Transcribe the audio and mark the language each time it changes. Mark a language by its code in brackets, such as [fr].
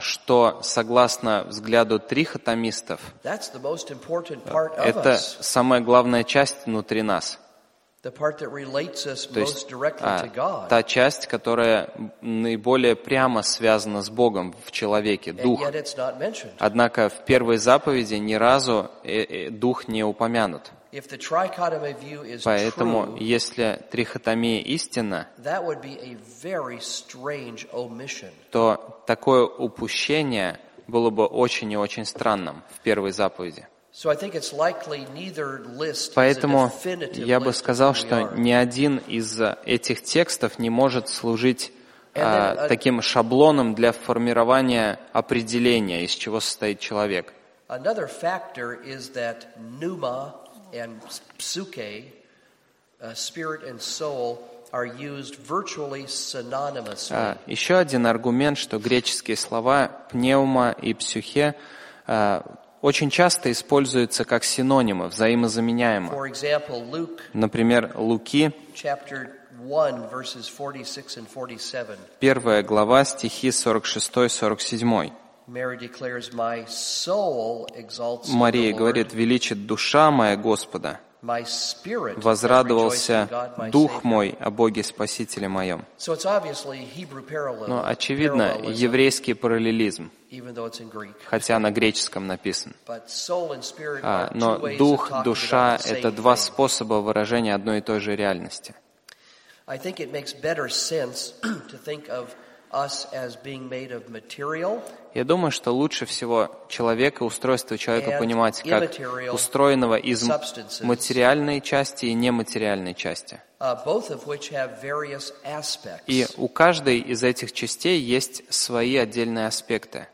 [ru] что согласно взгляду трихотомистов, [en] that's the most important part of us. [ru] Это самая главная часть внутри нас. [en] The part that relates us most directly to God. [ru] Та часть, которая наиболее прямо связана с Богом в человеке, дух. [en] And yet it's not mentioned. [ru] Однако в первой заповеди ни разу дух не упомянут. [en] If the trichotomy view is true, [ru] поэтому, если трихотомия истина, [en] that would be a very strange omission. [ru] То такое упущение было бы очень и очень странным в первой заповеди. [en] So I think it's likely neither list is [ru] поэтому [en] a definitive list. [ru] Я бы сказал, что ни один из этих текстов не может служить таким шаблоном для формирования определения, из чего состоит человек. [en] Another factor is that pneuma and psuche, spirit and soul, are used virtually synonymously. [ru] Еще один аргумент, что греческие слова пнеума и психе очень часто используются как синонимы, взаимозаменяемы. [en] For example, Luke, [ru] например, Луки, [en] chapter 1, verses 46 and 47. [ru] Первая глава, стихи 46-47. [en] Mary declares, "My soul exalts the [ru] Мария говорит, величит душа моя Господа. [en] My spirit [ru] возрадовался дух мой о Боге Спасителе моем». [en] So it's obviously Hebrew parallelism. [ru] Но очевидно, еврейский параллелизм, [en] even though it's in Greek, [ru] хотя на греческом написан. [en] But soul and spirit are [ru] но дух, душа — это два способа выражения одной и той же реальности. [en] I think it makes better sense to think of us as being made of material. [ru] Я думаю, что лучше всего человека, устройство человека понимать как устроенного из материальной части и нематериальной части. [en] Both of which have various aspects. [ru] И у каждой из этих частей есть свои отдельные аспекты.